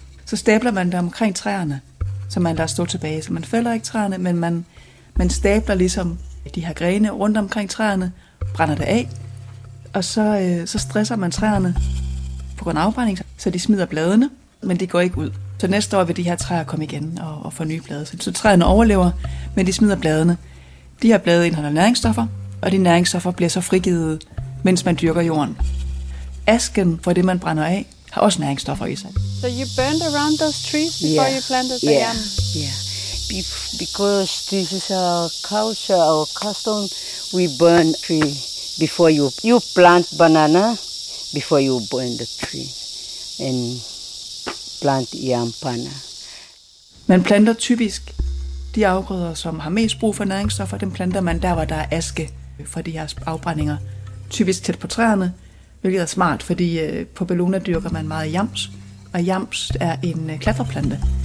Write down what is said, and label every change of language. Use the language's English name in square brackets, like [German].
[Danish] Så stabler man det omkring træerne, som man lader stå tilbage. Så man fælder ikke træerne, men man stabler ligesom de her grene rundt omkring træerne, brænder det af, og så stresser man træerne på grund af afbrænding, så de smider bladene, men de går ikke ud. Så næste år vil de her træer komme igen og få nye blade. Så træerne overlever, men de smider bladene. De her blade indeholder næringsstoffer, og de næringsstoffer bliver så frigivet, mens man dyrker jorden. Asken for det, man brænder af, har også næringsstoffer i sig. [English] So you burned around those trees before you planted them? Yeah. Because this is our culture, our custom, we burn tree before you plant banana, before you burn the tree. And plant jampana. [Danish] Man planter typisk de afgrøder, som har mest brug for næringsstoffer, dem planter man der, hvor der er aske for de her afbrændinger. Typisk tæt på træerne, hvilket er smart, fordi på Bellona dyrker man meget jams, og jams er en klatreplante.